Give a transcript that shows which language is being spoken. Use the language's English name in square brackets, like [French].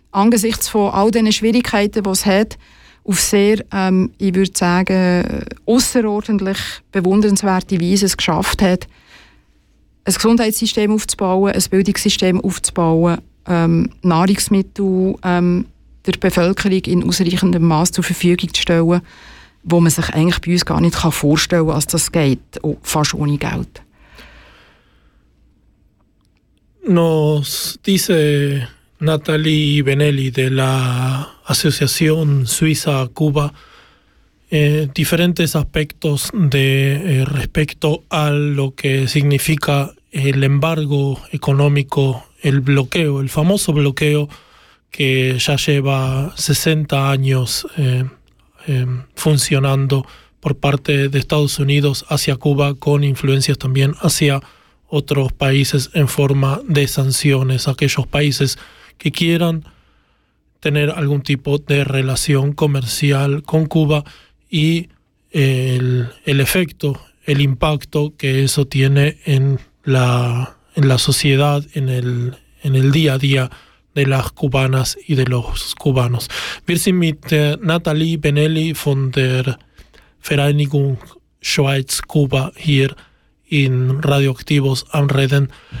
[German] angesichts von all den Schwierigkeiten, die es hat, auf sehr, ich würde sagen, außerordentlich bewundernswerte Weise es geschafft hat, ein Gesundheitssystem aufzubauen, ein Bildungssystem aufzubauen, Nahrungsmittel der Bevölkerung in ausreichendem Mass zur Verfügung zu stellen, wo man sich eigentlich bei uns gar nicht vorstellen kann, dass das geht, fast ohne Geld. [Spanish] Nos dice Natalie Benelli de la Asociación Suiza Cuba diferentes aspectos de respecto a lo que significa el embargo económico, el bloqueo, el famoso bloqueo que ya lleva 60 años funcionando por parte de Estados Unidos hacia Cuba, con influencias también hacia otros países en forma de sanciones, aquellos países que quieran tener algún tipo de relación comercial con Cuba y el efecto, el impacto que eso tiene en la sociedad, en el día a día de las cubanas y de los cubanos. [German] Wir sind mit Natalie Benelli von der Vereinigung Schweiz-Kuba hier in Radioaktivos am Reden.